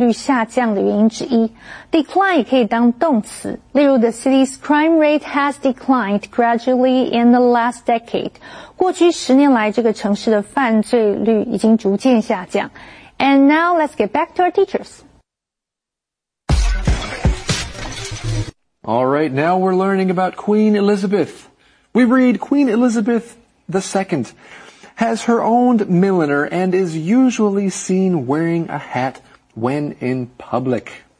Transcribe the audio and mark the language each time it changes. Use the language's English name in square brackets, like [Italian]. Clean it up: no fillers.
[English] Decline [Chinese] 可以当动词，例如 [English] the city's crime rate has declined gradually in the last decade. [Chinese] 过去十年来，这个城市的犯罪率已经逐渐下降。 [English] And now let's get back to our teachers. All right, now we're learning about Queen Elizabeth. We read Queen Elizabeth II. Has her own milliner and is usually seen wearing a hat when in public.